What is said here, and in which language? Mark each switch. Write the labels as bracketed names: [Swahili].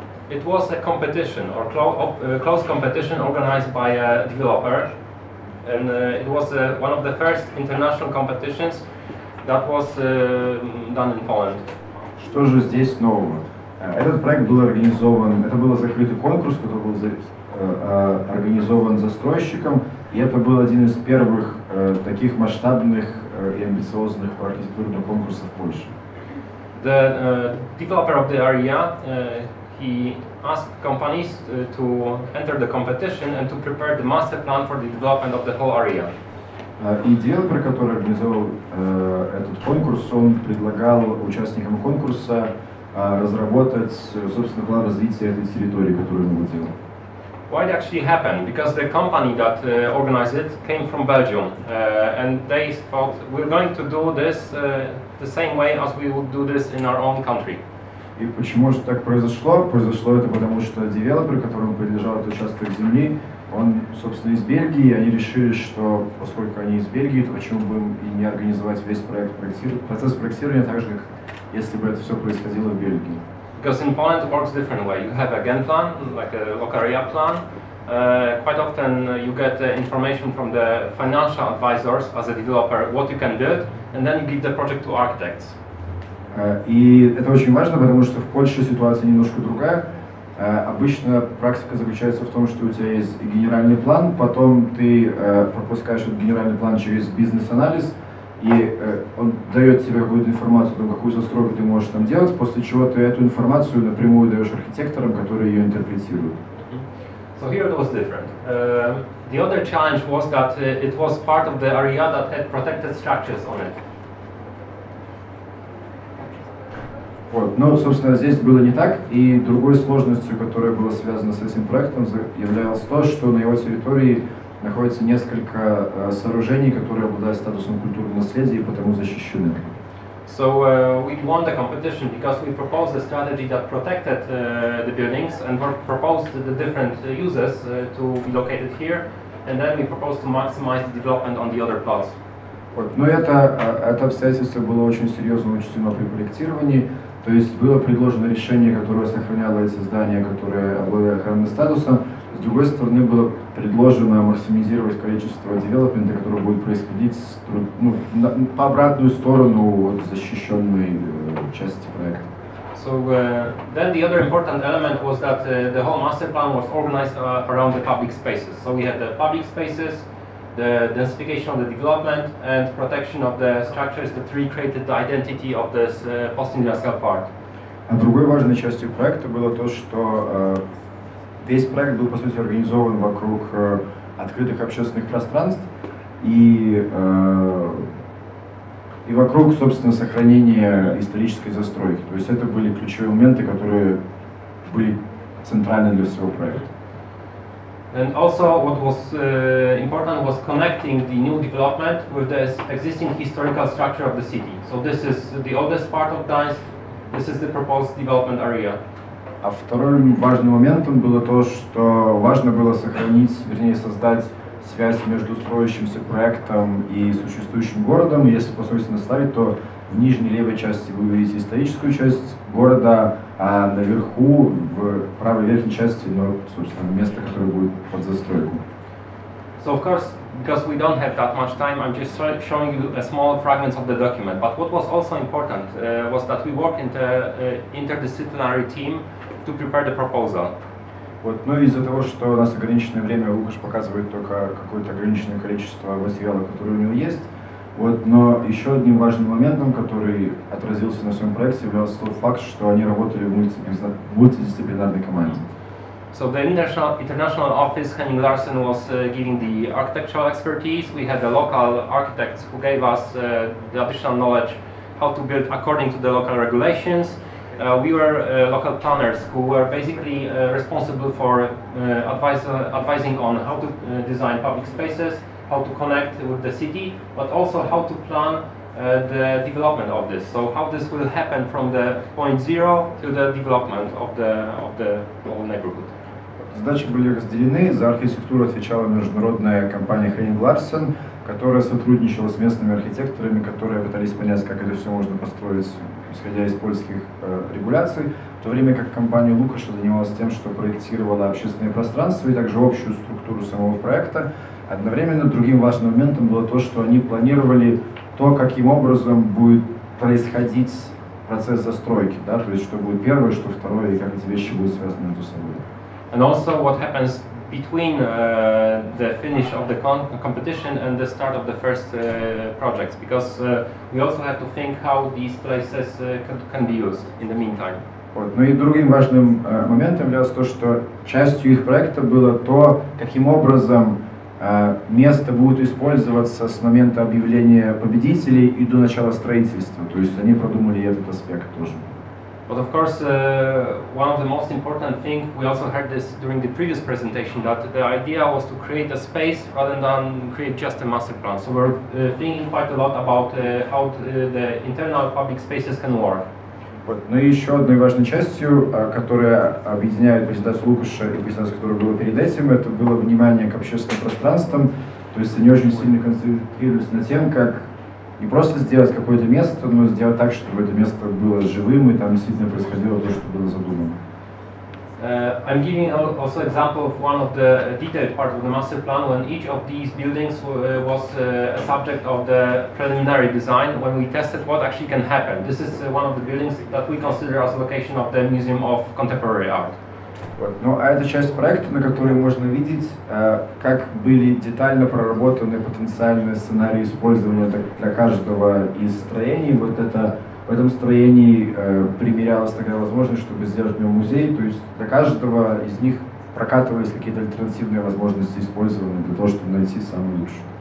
[English] It was a competition or close competition organized by a developer, and it was one of the first international competitions that was done in Poland. [Russian] Что же здесь нового? Этот проект был организован, это был закрытый конкурс, который был организован застройщиком, и это был один из первых таких масштабных и амбициозных архитектурных конкурсов в Польше. [English] The developer of the area, he asked companies to enter the competition and to prepare the master plan for the development of the whole area. [Russian] Идеал, про который организовал этот конкурс, он предлагал участникам конкурса разработать, собственно, план развития этой территории, которую мы выделили. [English] Why it actually happened? Because the company that organized it came from Belgium, and they thought we're going to do this the same way as we would do this in our own country. [Russian] И почему же так произошло? Произошло это потому, что девелопер, которому принадлежал этот участок земли, он, собственно, из Бельгии, и они решили, что поскольку они из Бельгии, то почему бы им и не организовать весь проект, процесс проектирования так же, как если бы это все происходило в Бельгии. [English] Because in Poland it works different way. You have a gen plan, like a local area plan. Quite often you get information from the financial advisors as a developer what you can build, and then you give the project to architects. [Russian] И это очень важно, потому что в Польше ситуация немножко другая. Обычно практика заключается в том, что у тебя есть генеральный план, потом ты пропускаешь этот генеральный план через бизнес-анализ, и он дает тебе какую-то информацию о том, какую застройку ты можешь там делать, после чего ты эту информацию напрямую даешь архитекторам, которые ее интерпретируют. [English] So here it was different. The other challenge was that it was part of the area that had protected structures on it. [Russian] Вот. Ну, собственно, здесь было не так, и другой сложностью, которая была связана с этим проектом, являлось то, что на его территории находится несколько сооружений, которые обладают статусом культурного наследия и потому защищены. [English] So we won the competition because we proposed a strategy that protected the buildings and proposed the different uses to be located here, and then we proposed to maximize the development on the other plots. [Russian] Вот. Но это обстоятельство было очень серьезно учтено при проектировании. То есть было предложено решение, которое сохраняло эти здания, которые обладали охранным статусом. С другой стороны, было предложено максимизировать количество девелопмента, которое будет происходить с, ну, на, по обратную сторону вот, защищенной части проекта. [English] So then the other important element was that the whole master plan was organized around the public spaces. So we had the public spaces, the densification of the development and protection of the structures that recreated the identity of this post-industrial park. [Russian] А другой важной частью проекта было то, что весь проект был, по сути, организован вокруг открытых общественных пространств и вокруг, собственно, сохранения исторической застройки. То есть это были ключевые моменты, которые были центральны для всего проекта. [English] And also what was important was connecting the new development with the existing historical structure of the city. So this is the oldest part of Gdańsk, this is the proposed development area. [Russian] А вторым важным моментом было то, что важно было сохранить, вернее создать связь между строящимся проектом и существующим городом. Если посмотрите на слайд, то в нижней левой части вы увидите историческую часть города, а наверху, в правой верхней части, ну, собственно, место, которое будет под застройку. [English] So of course, because we don't have that much time, I'm just showing you a small fragments of the document. But what was also important was that we worked in the interdisciplinary team to prepare the proposal. [Russian] Вот, ну, из-за того, что у нас ограниченное время, Лукаш показывает только какое-то ограниченное количество материала, которое у него есть. Вот, но еще одним важным моментом, который отразился на своем проекте, являлся тот факт, что они работали в мультидисциплинарной команде. [English] So the international office Henning Larsen was giving the architectural expertise. We had the local architects who gave us the additional knowledge how to build according to the local regulations. We were local planners who were basically responsible for advising on how to design public spaces, how to connect with the city, but also how to plan the development of this. So how this will happen from the point zero to the development of the whole neighborhood. [Russian] Задачи были разделены. За архитектуру отвечала международная компания Henning Larsen, которая сотрудничала с местными архитекторами, которые пытались понять, как это все можно построить, исходя из польских регуляций, в то время как компания Лукаша занималась тем, что проектировала общественное пространство и также общую структуру самого проекта. Одновременно другим важным моментом было то, что они планировали то, каким образом будет происходить процесс застройки, да, то есть что будет первое, что второе, и как эти вещи будут связаны между собой. [English] And also what happens between the finish of the competition and the start of the first projects, because we also have to think how these places can be used in the meantime. [Russian] Вот. Ну и другим важным моментом являлось то, что частью их проекта было то, каким образом место будет использоваться с момента объявления победителей и до начала строительства. То есть они продумали этот аспект тоже. [English] But of course, one of the most important thing, we also heard this during the previous presentation, that the idea was to create a space rather than create just a master plan. So we're thinking quite a lot about how the internal public spaces can work. [Russian] Вот. Ну и еще одной важной частью, которая объединяет презентацию Лукаша и презентацию, которая была перед этим, это было внимание к общественным пространствам. То есть они очень сильно концентрировались на тем, как не просто сделать какое-то место, но сделать так, чтобы это место было живым и там действительно происходило то, что было задумано. [English] I'm giving also example of one of the detailed part of the master plan when each of these buildings was a subject of the preliminary design when we tested what actually can happen. This is one of the buildings that we consider as location of the Museum of Contemporary Art. [Russian] Вот. Ну, а это часть проекта, на которой можно видеть, как были детально проработаны потенциальные сценарии использования для каждого из строений. Вот это в этом строении примерялась такая возможность, чтобы сделать в нем музей, то есть для каждого из них прокатывались какие-то альтернативные возможности использования для того, чтобы найти самое лучшее.